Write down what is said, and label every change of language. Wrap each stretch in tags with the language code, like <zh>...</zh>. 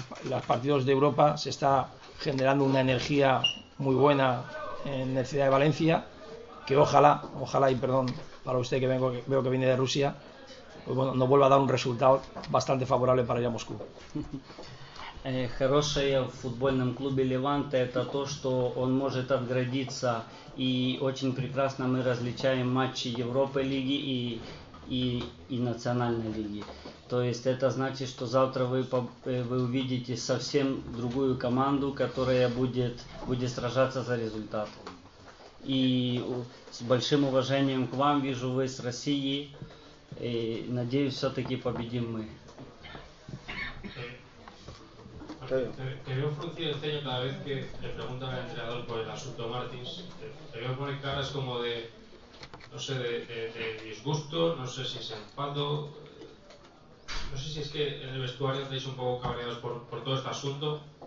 <es>Los partidos de Europa se está generando una energía muy buena en la ciudad de Valencia, que ojalá, y perdón para usted que veo que viene de Rusia, pues bueno, nos vuelva a dar un resultado bastante favorable para ir a Moscú.</es> <ru>Хорошее в футбольном клубе Леванте это то, что он может отградиться, и очень прекрасно мы различаем матчи Европы лиги и национальной лиги. То есть это значит, что завтра вы увидите совсем другую команду, которая будет сражаться за результат. И с большим уважением к вам, вижу, вы с России, и надеюсь, все-таки победим мы.</ru> <es>Te veo fruncir el ceño cada vez que le preguntan al entrenador por el asunto Martins. Te veo poner caras como de, no sé, de disgusto, no sé si es enfado, no sé si es que en el vestuario estáis un poco cabreados por todo este asunto.</es>